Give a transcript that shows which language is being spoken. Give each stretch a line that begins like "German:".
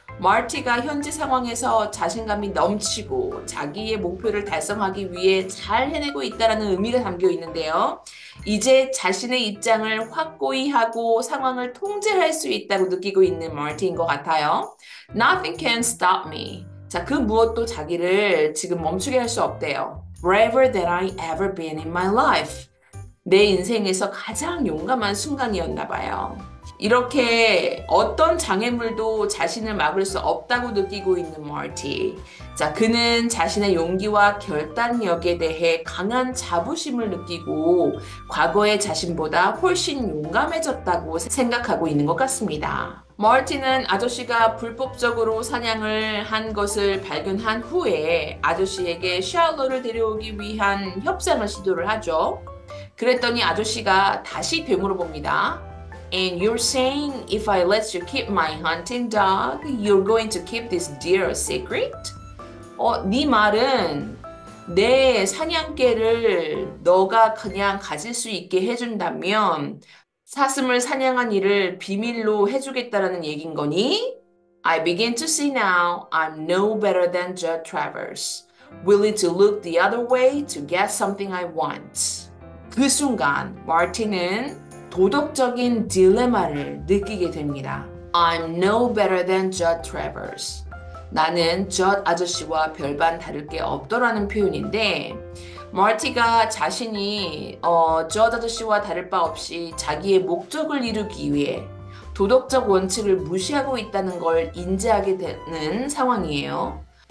Korean: 마티가 현지 상황에서 자신감이 넘치고 자기의 목표를 달성하기 위해 잘 해내고 있다는 의미가 담겨 있는데요. 이제 자신의 입장을 확고히 하고 상황을 통제할 수 있다고 느끼고 있는 마티인 것 같아요.
English: Nothing can stop me.
Korean: 자, 그 무엇도 자기를 지금 멈추게 할수 없대요.
English: Braver than I ever been in my life.
Korean: 내 인생에서 가장 용감한 순간이었나 봐요. 이렇게 어떤 장애물도 자신을 막을 수 없다고 느끼고 있는 멀티. 자, 그는 자신의 용기와 결단력에 대해 강한 자부심을 느끼고 과거의 자신보다 훨씬 용감해졌다고 생각하고 있는 것 같습니다. 멀티는 아저씨가 불법적으로 사냥을 한 것을 발견한 후에 아저씨에게 샬롯를 데려오기 위한 협상을 시도를 하죠. 그랬더니 아저씨가 다시 되물어 봅니다.
English: And you're saying if I let you keep my hunting dog, you're going to keep this deer a secret?
Korean: 네 말은 내 사냥개를 너가 그냥 가질 수 있게 해준다면 사슴을 사냥한 일을 비밀로 해주겠다라는 얘긴 거니?
English: I begin to see now I'm no better than Judd Travers. Willing to look the other way to get something I want.
Korean: 그 순간, 마틴은 도덕적인 딜레마를 느끼게 됩니다.
English: I'm no better than Judd Travers.
Korean: 나는 Judd 아저씨와 별반 다를 게 없더라는 표현인데, 마티가 자신이 저 아저씨와 다를 바 없이 자기의 목적을 이루기 위해 도덕적 원칙을 무시하고 있다는 걸 인지하게 되는 상황이에요.